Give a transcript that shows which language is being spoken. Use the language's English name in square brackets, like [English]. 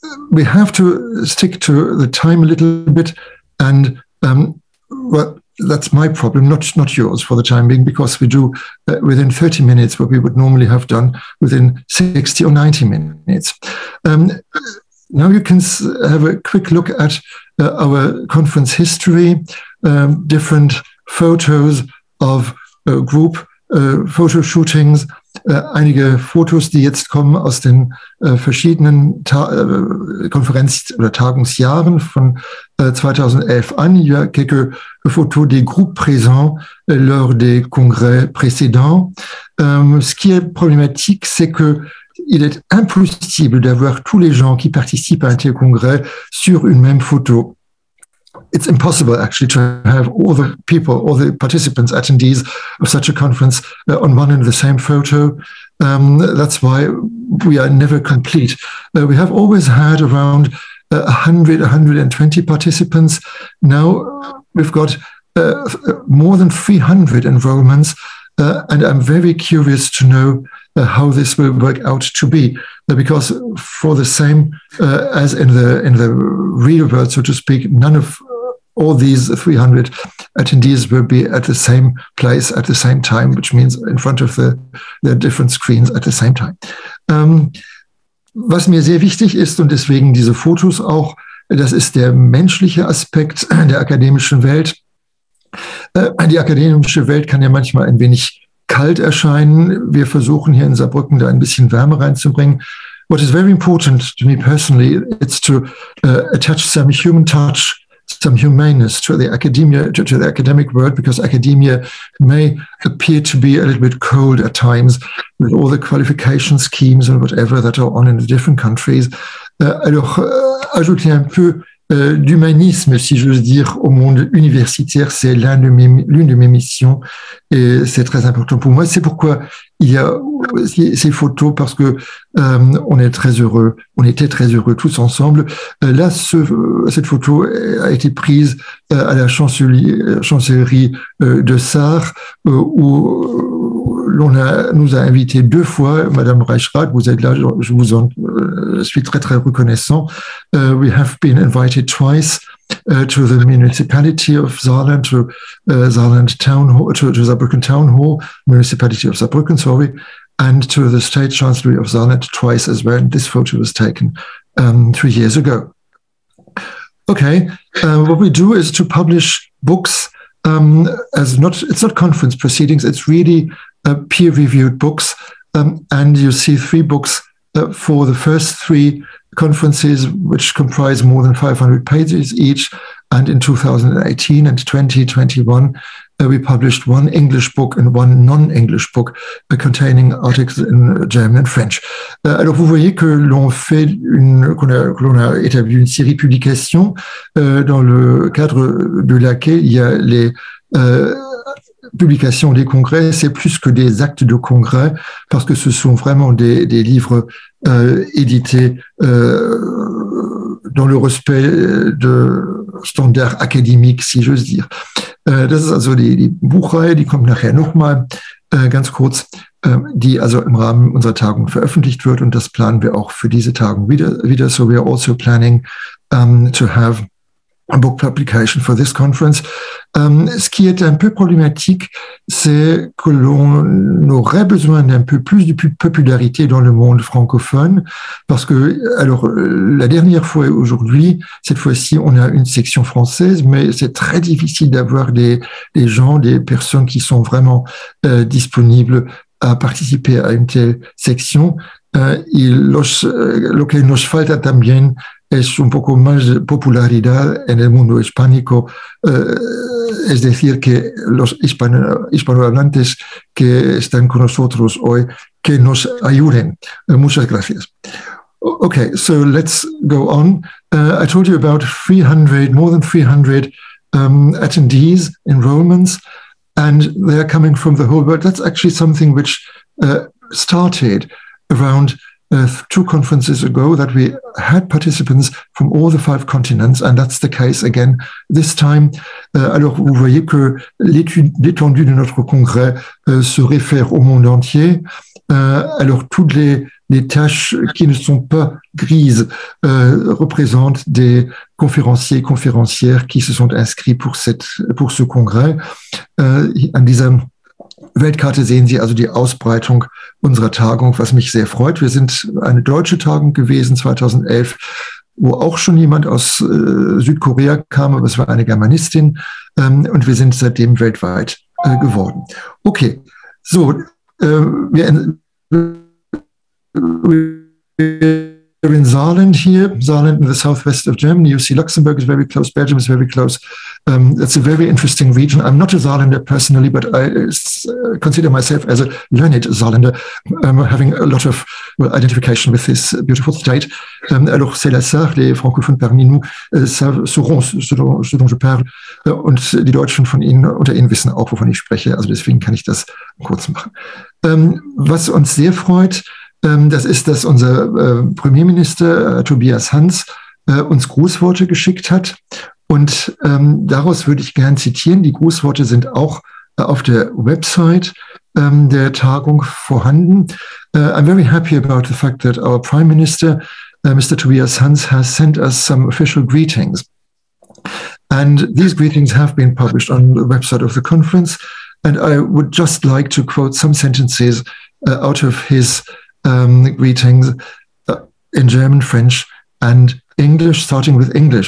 [English] We have to stick to the time a little bit, and well, that's my problem, not yours for the time being, because we do within 30 minutes what we would normally have done within 60 or 90 minutes. Now you can have a quick look at our conference history, different photos of group photo shootings. [German] Einige Fotos, die jetzt kommen aus den verschiedenen Konferenz- oder Tagungsjahren von 2011 an. [French] Il y a quelques photos des groupes présents lors des congrès précédents. Ce qui est problématique, c'est que il est impossible d'avoir tous les gens qui participent à un tel congrès sur une même photo. [English] It's impossible, actually, to have all the people, all the participants, attendees of such a conference on one and the same photo. That's why we are never complete. We have always had around 120 participants. Now we've got more than 300 enrollments, and I'm very curious to know how this will work out to be, because for the same as in the real world, so to speak, none of all these 300 attendees will be at the same place at the same time, which means in front of the different screens at the same time. [German] Was mir sehr wichtig ist, und deswegen diese Fotos auch, das ist der menschliche Aspekt der akademischen Welt. Die akademische Welt kann ja manchmal ein wenig kalt erscheinen. Wir versuchen hier in Saarbrücken da ein bisschen Wärme reinzubringen. [English] What is very important to me personally, it's to attach some human touch, some humaneness to the academia, to the academic world, because academia may appear to be a little bit cold at times with all the qualification schemes and whatever that are on in the different countries. [French] Alors, ajouter un peu d'humanisme, si j'ose dire, au monde universitaire, c'est l'une de mes missions et c'est très important pour moi. C'est pourquoi il y a ces photos, parce que on est très heureux, on était très heureux tous ensemble. Là, cette photo a été prise à la chancellerie de Sarre, où nous a invité deux fois, Madame Reichrath, vous êtes là, je suis très très reconnaissant. [English] We have been invited twice to the municipality of Saarland, to Saarland Town Hall, to Saarbrücken Town Hall, municipality of Saarbrücken, sorry, and to the State Chancellery of Saarland twice as well. This photo was taken 3 years ago. Okay, what we do is to publish books it's not conference proceedings, it's really peer-reviewed books, and you see three books for the first three conferences, which comprise more than 500 pages each. And in 2018 and 2021, we published one English book and one non-English book containing articles in German and French. [French] Alors, vous voyez que l'on a établi une série de publications dans le cadre de laquelle il y a les publications des congrès. C'est plus que des actes de congrès, parce que ce sont vraiment des livres édités dans le respect de standards académiques, si j'ose dire. [German] Das ist also die Buchreihe, die kommt nachher nochmal ganz kurz, die also im Rahmen unserer Tagung veröffentlicht wird, und das planen wir auch für diese Tagung wieder. [English] So we are also planning to have a book publication for this conference. [French] Ce qui est un peu problématique, c'est que l'on aurait besoin d'un peu plus de popularité dans le monde francophone, parce que, alors, la dernière fois aujourd'hui, cette fois-ci, on a une section française, mais c'est très difficile d'avoir des gens, des personnes qui sont vraiment disponibles à participer à une telle section. [Spanish] Lo que nos falta también es un poco más de popularidad en el mundo hispánico, es decir, que los hispanohablantes que están con nosotros hoy, que nos ayuden. Muchas gracias. [English] Okay, so let's go on. I told you about more than 300 attendees, enrollments, and they are coming from the whole world. That's actually something which started around two conferences ago, that we had participants from all the five continents, and that's the case again this time. [French] Alors, vous voyez que l'étendue de notre congrès se réfère au monde entier. Alors, toutes les tâches qui ne sont pas grises représentent des conférenciers et conférencières qui se sont inscrits pour ce congrès. [German] An dieser Weltkarte sehen Sie also die Ausbreitung unserer Tagung, was mich sehr freut. Wir sind eine deutsche Tagung gewesen 2011, wo auch schon jemand aus Südkorea kam, aber es war eine Germanistin, und wir sind seitdem weltweit geworden. [English] Okay, so, we're in Saarland here, Saarland in the southwest of Germany. You see Luxembourg is very close, Belgium is very close. That's a very interesting region. I'm not a Saarlander personally, but I consider myself as a learned Saarlander, having a lot of identification with this beautiful state. [French] Alors, c'est la Saar, les francophones parmi nous sauront ce dont je parle, [German] und die Deutschen von Ihnen unter Ihnen wissen auch, wovon ich spreche. Also deswegen kann ich das kurz machen. Was uns sehr freut, das ist, dass unser Premierminister Tobias Hans uns Grußworte geschickt hat. Und daraus würde ich gern zitieren. Die Grußworte sind auch auf der Website der Tagung vorhanden. [English] I'm very happy about the fact that our Prime Minister, Mr. Tobias Hans, has sent us some official greetings. And these greetings have been published on the website of the conference. And I would just like to quote some sentences out of his greetings in German, French, and English, starting with English.